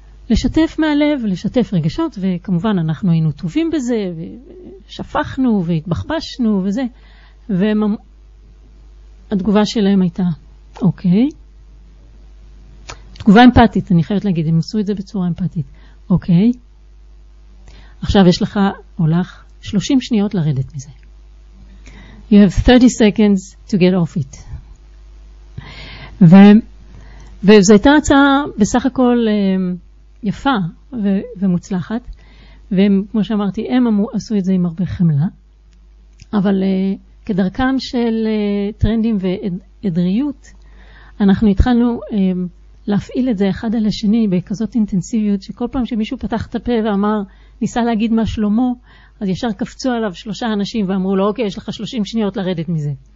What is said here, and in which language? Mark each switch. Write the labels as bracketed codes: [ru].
[he] ולשתף מהלב, לשתף רגשות, וכמובן אנחנו היינו טובים בזה, ושפחנו והתבחבשנו וזה. והתגובה שלהם הייתה, אוקיי. תגובה אמפתית, אני חייבת להגיד, הם עשו את זה בצורה אמפתית. אוקיי. עכשיו יש לך, הולך, 30 שניות לרדת מזה. [en] You have 30 seconds to get off it. [he] וזו הייתה הצעה בסך הכל יפה ומוצלחת. וכמו שאמרתי, הם עשו את זה עם הרבה חמלה. אבל כדרכם של טרנדים ועדריות, אנחנו התחלנו להפעיל את זה אחד על השני בכזאת אינטנסיביות, שכל פעם שמישהו פתח את הפה ואמר, ניסה להגיד מה שלמה, אז ישר קפצו עליו שלושה אנשים ואמרו לו, אוקיי, יש לך 30 שניות לרדת מזה.